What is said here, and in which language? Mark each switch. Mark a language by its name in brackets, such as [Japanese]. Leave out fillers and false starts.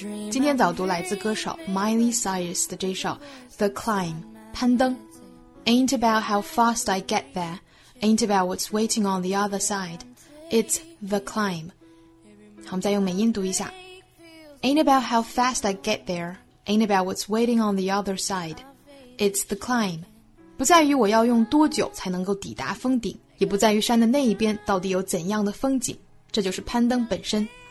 [Chinese] 今天早读来自歌手 Miley Cyrus 的这首 The Climb, 攀登。 [English] Ain't about how fast I get there, ain't about what's waiting on the other side, it's the climb. [Chinese] 好，我们再用美音读一下。 [English] Ain't about how fast I get there, ain't about what's waiting on the other side, it's the climb. [Chinese] 不在于我要用多久才能够抵达峰顶，也不在于山的那一边到底有怎样的风景，这就是攀登本身。